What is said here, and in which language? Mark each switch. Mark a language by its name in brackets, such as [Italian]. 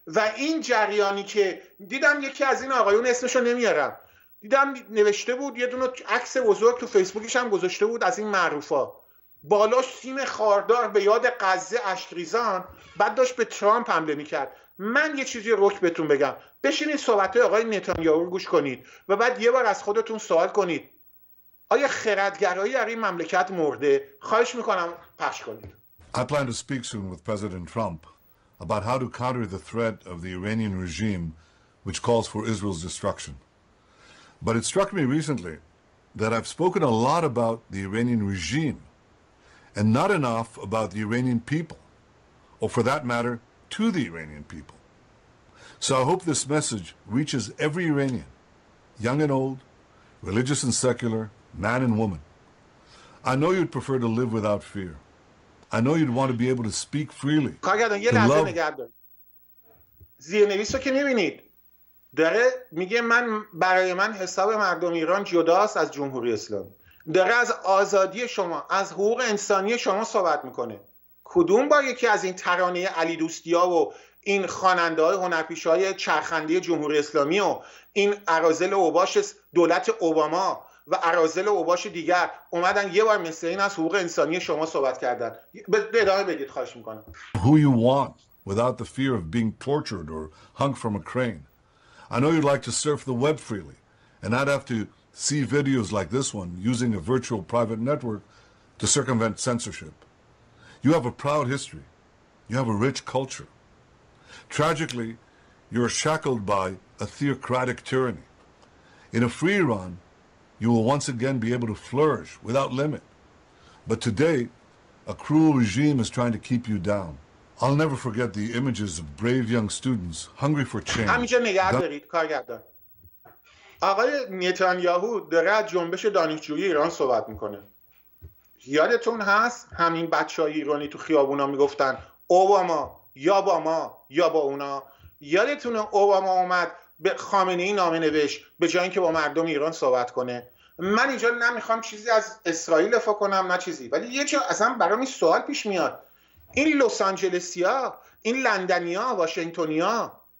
[Persian] و این جریانی که دیدم، یکی از این آقایون اسمشو نمیارم، دیدم نوشته بود یه دونه عکس بزرگ تو فیسبوکش هم گذاشته بود از این معروفا، بالاش سیم خاردار به یاد غزه اشکریزان، بعد داشت به ترامپ حمله میکرد. من یه چیزی رک بهتون بگم، بشینید صحبت‌های آقای نتانیاهو رو گوش کنید و بعد یه بار از خودتون سوال کنید آیا خردگرایی در این مملکت مرده؟ خواهش میکنم پخش کنید. [English] I plan to speak soon with President Trump about how to counter the threat of the Iranian regime which calls for Israel's destruction. But it struck me recently that I've spoken a lot about the Iranian regime and not enough about the Iranian people, or for that matter, to the Iranian people. So I hope this message reaches every Iranian, young and old, religious and secular, man and woman. I know you'd prefer to live without fear. I know you'd want to be able to speak freely. [Persian] کارگردان یه لحظه نگرد. زیرنویس رو که میبینید داره میگه من، برای من حساب مردم ایران جداست از جمهوری اسلامی. داره از آزادی شما، از حقوق انسانی شما صحبت میکنه. کدوم با یکی از این ترانه علی دوستی ها و این خواننده های هنرپیشه های چرخنده جمهوری اسلامی و این اراذل اوباش دولت اوباما و اراذل اوباش دیگر اومدن یه بار مثل این از حقوق انسانی شما صحبت کردن؟ به ادامه بدید، خواهش میکنم. [English] Who you want without the fear of being tortured or hung from a crane. I know you'd like to surf the web freely and not have to see videos like this one using a virtual private network to circumvent censorship. You have a proud history. You have a rich culture. Tragically, you're shackled by a theocratic tyranny. In a free Iran, you will once again be able to flourish without limit. But today, a cruel regime is trying to keep you down. I'll never forget the images of brave young students hungry for change. [Persian] همینجا نگه دارید کارگردان. آقای نتانیاهو داره از جنبش دانشجوی ایران صحبت میکنه. یادتون هست همین بچه های ایرانی تو خیابونا میگفتن اوباما یا با ما یا با اونا؟ یادتونه اوباما اومد به خامنه‌ای نامه نوشت به جای اینکه با مردم ایران صحبت کنه؟ من اینجا نمیخوام چیزی از اسرائیل دفاع کنم نه چیزی، ولی یه جا اصلا برام این سوال پیش میاد، این لس آنجلسیا، این لندنیا، واشنگتونیا